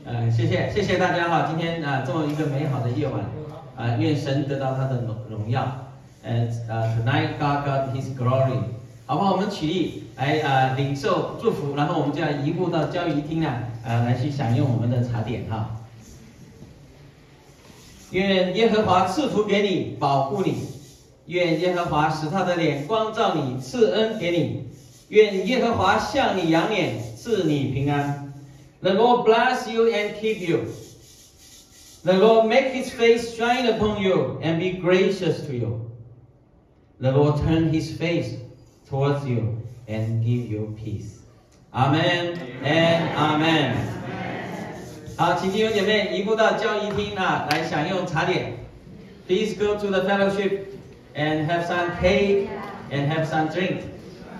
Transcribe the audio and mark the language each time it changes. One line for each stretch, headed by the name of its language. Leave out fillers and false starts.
Chinese: 谢谢大家哈，今天这么一个美好的夜晚，愿神得到他的荣耀 ，
English: tonight God got His glory，
Chinese: 好吧，我们起立来领受祝福，然后我们就要移步到交谊厅了，来去享用我们的茶点哈。愿耶和华赐福给你，保护你；愿耶和华使他的脸光照你，赐恩给你；愿耶和华向你扬脸，赐你平安。
English: The Lord bless you and keep you. The Lord make His face shine upon you and be gracious to you. The Lord turn His face towards you and give you peace. Amen and amen.
Chinese: 好，请弟兄姐妹移步到教仪厅啊，来享用茶点。
English: Please go to the fellowship and have some cake and have some drink.